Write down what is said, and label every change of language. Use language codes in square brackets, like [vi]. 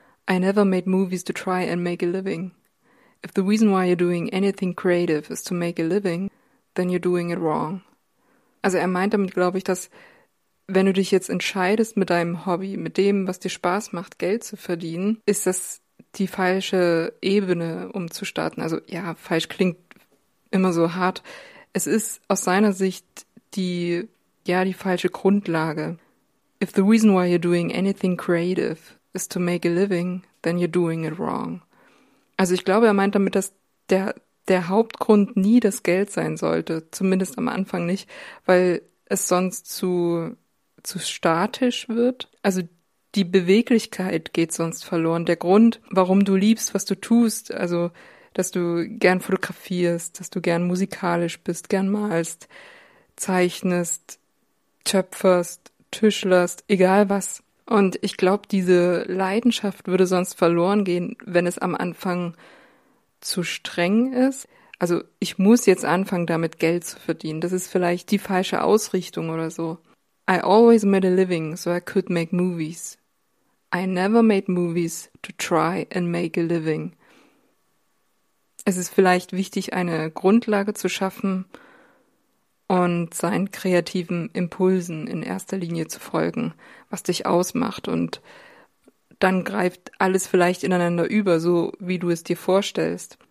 [en] I never made movies to try and make a living. If the reason why you're doing anything creative is to make a living, then you're doing it wrong. [de] Also er meint damit, glaube ich, dass wenn du dich jetzt entscheidest, mit deinem Hobby, mit dem, was dir Spaß macht, Geld zu verdienen, ist das die falsche Ebene, um zu starten. Also ja, falsch klingt immer so hart. Es ist aus seiner Sicht die falsche Grundlage. [en] If the reason why you're doing anything creative is to make a living, then you're doing it wrong. [de] Also ich glaube, er meint damit, dass der Hauptgrund nie das Geld sein sollte, zumindest am Anfang nicht, weil es sonst zu statisch wird. Also die Beweglichkeit geht sonst verloren. Der Grund, warum du liebst, was du tust, also dass du gern fotografierst, dass du gern musikalisch bist, gern malst, zeichnest, töpferst, tischlerst, egal was. Und ich glaube, diese Leidenschaft würde sonst verloren gehen, wenn es am Anfang zu streng ist. Also ich muss jetzt anfangen, damit Geld zu verdienen. Das ist vielleicht die falsche Ausrichtung oder so. [en] I always made a living, so I could make movies. I never made movies to try and make a living. [de] Es ist vielleicht wichtig, eine Grundlage zu schaffen und seinen kreativen Impulsen in erster Linie zu folgen, was dich ausmacht. Und dann greift alles vielleicht ineinander über, so wie du es dir vorstellst.